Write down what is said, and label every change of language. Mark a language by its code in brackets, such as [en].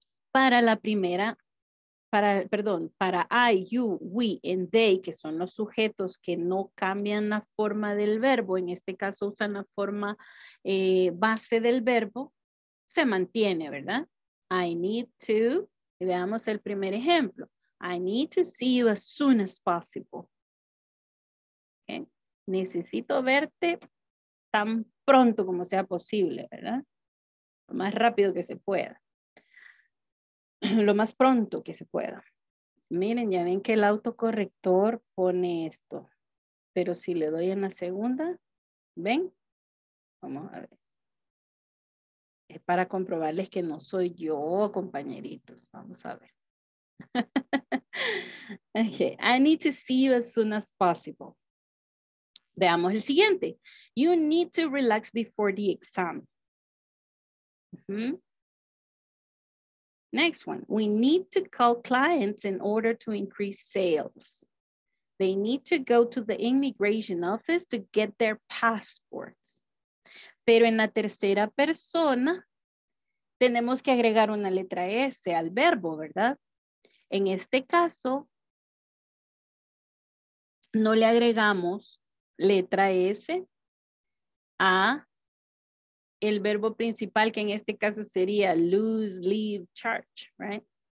[es] Para la primera, para I, you, we, and they, que son los sujetos que no cambian la forma del verbo, en este caso usan la forma base del verbo, se mantiene, ¿verdad? [en] I need to, [es] y veamos el primer ejemplo. [en] I need to see you as soon as possible. Okay. [es] Necesito verte tan pronto como sea posible, ¿verdad? lo más rápido que se pueda, lo más pronto que se pueda. Miren, ya ven que el autocorrector pone esto, pero si le doy en la segunda, ¿ven? Vamos a ver. Es para comprobarles que no soy yo, compañeritos. Vamos a ver. [en] Okay, I need to see you as soon as possible. [es] Veamos el siguiente. [en] You need to relax before the exam. Mm-hmm. Next one. We need to call clients in order to increase sales. They need to go to the immigration office to get their passports. [es] Pero en la tercera persona, tenemos que agregar una letra S al verbo, ¿verdad? En este caso, no le agregamos letra S a el verbo principal, que en este caso sería lose, leave, charge, right?